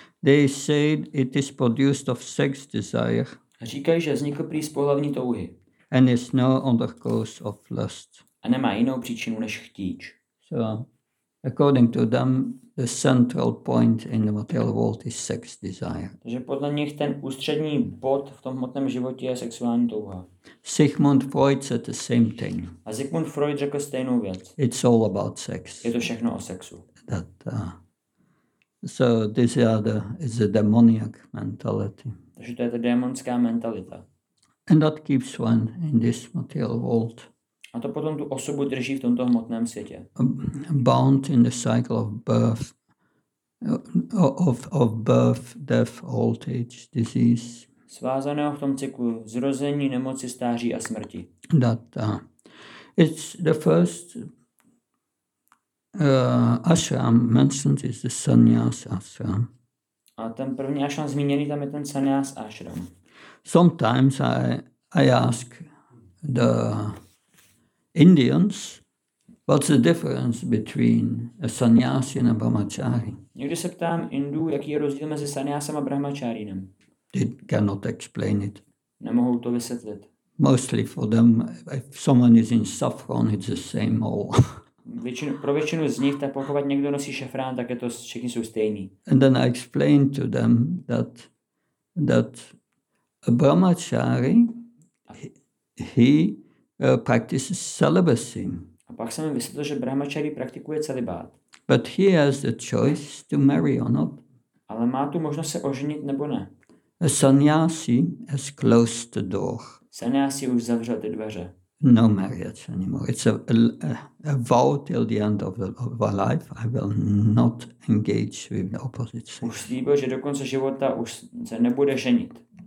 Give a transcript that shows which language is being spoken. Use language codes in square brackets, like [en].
[en] They say it is produced of sex desire. [cs] Říkají, že vznikl prý z pohlavní touhy. [en] And is no other cause of lust. [cs] A nemá jinou příčinu než chtíč. [en] So, according to them, the central point in the material world is sex desire. [cs] Takže podle nich ten ústřední bod v tom hmotném životě je sexuální touha. [en] Sigmund Freud said the same thing. [cs] A Sigmund Freud řekl stejnou věc. [en] It's all about sex. [cs] Je to všechno o sexu. [en] That, so this is a demoniac mentality. [cs] Takže to je ta démonská mentalita. [en] And that keeps one in this material world. [cs] A to potom tu osobu drží v tomto hmotném světě. [en] Bound in the cycle of birth, of birth, death, old age, disease. [cs] Svázaného v tom cyklu zrození, nemoci, stáří a smrti. [en] That it's the first ashram mentioned is the sannyas ashram. [cs] A ten první ashram zmíněný tam je ten sannyas ashram. [en] Sometimes I ask the Indians, what's the difference between a sannyasi and a brahmachari? [cs] Někdy se ptám Indů, jaký je rozdíl mezi sannyasem a brahmacharinem. [en] They cannot explain it. [cs] Nemohou to vysvětlit. [en] Mostly for them, if someone is in saffron, it's the same all. [cs] Pro většinu z nich, tak pokud někdo nosí šafrán, tak je to všichni jsou stejní. [en] And then I explain to them that a brahmachari, he practices celibacy. [cs] A pak jsem vysvětlil, že brahmačari praktikuje celibát. [en] But he has the choice to marry or not. [cs] Ale má tu možnost se oženit nebo ne. [en] A sannyasi has closed the door. [cs] Sannyasi už zavřel ty dveře. [en] No marriage anymore. It's a vow till the end of my life. I will not engage with the opposite sex. [cs] Už slíbil, že do konce života už se nebude ženit.